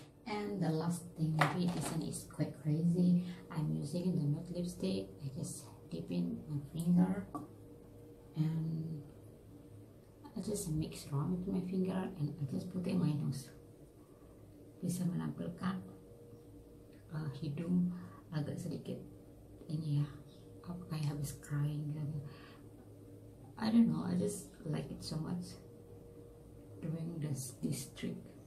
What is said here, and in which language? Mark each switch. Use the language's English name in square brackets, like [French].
[English] And the last thing maybe this one is quite crazy. I'm using the nude lipstick. I just dip in my finger and I just mix around with my finger and I just put in my nose. [Indonesian] Bisa menampilkan hidung agak sedikit ini ya. [English] I have been crying. And I don't know. I just like it so much doing this trick.